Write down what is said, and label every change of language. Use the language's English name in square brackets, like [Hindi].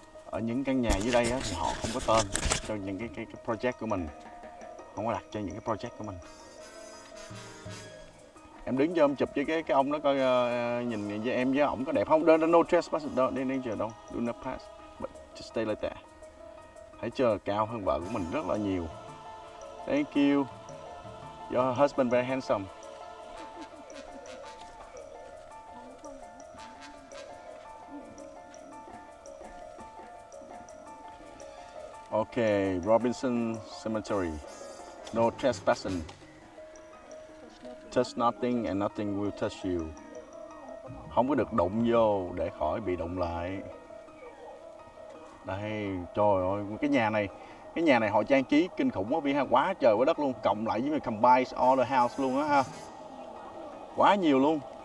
[Vietnamese] Ở những căn nhà dưới đây á, thì họ không có tên cho những cái project của mình. Không có đặt cho những cái project của mình. Em đứng cho em chụp với cái ông đó coi nhìn với em với ổng có đẹp không? [English] No trespass, no danger, don't do not pass, but just stay like that. [Vietnamese] Thấy chưa, cao hơn vợ của mình rất là nhiều. [English] Thank you. Your husband very handsome. Okay, Robinson Cemetery. No trespassing. Touch nothing and nothing will touch you. [Vietnamese] Không có được đụng vô để khỏi bị đụng lại. Đây, trời ơi, cái nhà này họ trang trí kinh khủng quá, vì ha, quá trời quá đất luôn, cộng lại với [English] combines all the house [Vietnamese] luôn á ha. Quá nhiều luôn.